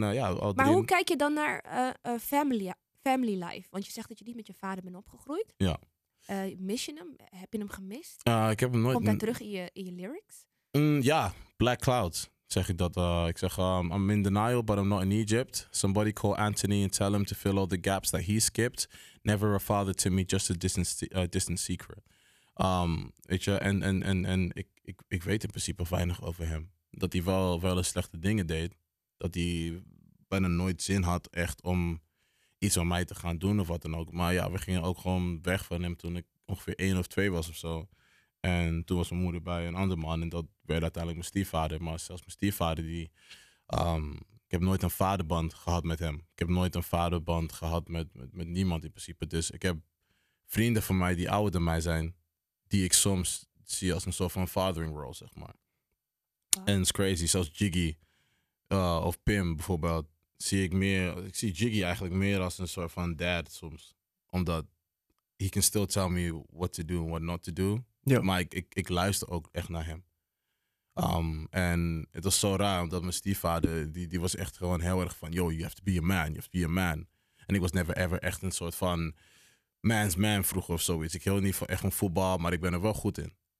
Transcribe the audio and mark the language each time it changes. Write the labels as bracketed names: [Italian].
[Dutch] Maar hoe kijk je dan naar family life? Want je zegt dat je niet met je vader bent opgegroeid. Ja. Mis je hem? Heb je hem gemist? Ik heb hem nooit... Komt hij terug in je lyrics? Ja, Black Clouds. Zeg ik dat. Ik zeg, [English] I'm in denial, but I'm not in Egypt. Somebody call Anthony and tell him to fill all the gaps that he skipped. Never a father to me, just a distant secret. [Dutch] Weet je, en ik weet in principe weinig over hem. Dat hij wel eens slechte dingen deed. Dat hij bijna nooit zin had echt om iets aan mij te gaan doen of wat dan ook. Maar ja, we gingen ook gewoon weg van hem toen ik ongeveer 1 of 2 was of zo. En toen was mijn moeder bij een ander man en dat werd uiteindelijk mijn stiefvader. Maar zelfs mijn stiefvader, ik heb nooit een vaderband gehad met hem. Ik heb nooit een vaderband gehad met niemand in principe. Dus ik heb vrienden van mij die ouder dan mij zijn, die ik soms zie als een soort van fathering role, zeg maar. Wow. En het is crazy, zelfs Jiggy of Pim bijvoorbeeld, ik zie Jiggy eigenlijk meer als een soort van dad soms. [English] Omdat he can still tell me what to do and what not to do. Yep. [Dutch] Maar ik luister ook echt naar hem. En het was zo raar, omdat mijn stiefvader, die was echt gewoon heel erg van, [English] yo, you have to be a man, [Dutch] you have to be a man. En ik was never ever echt een soort van man's man vroeger of zoiets. Ik hield niet van echt van voetbal, maar ik ben er wel goed in.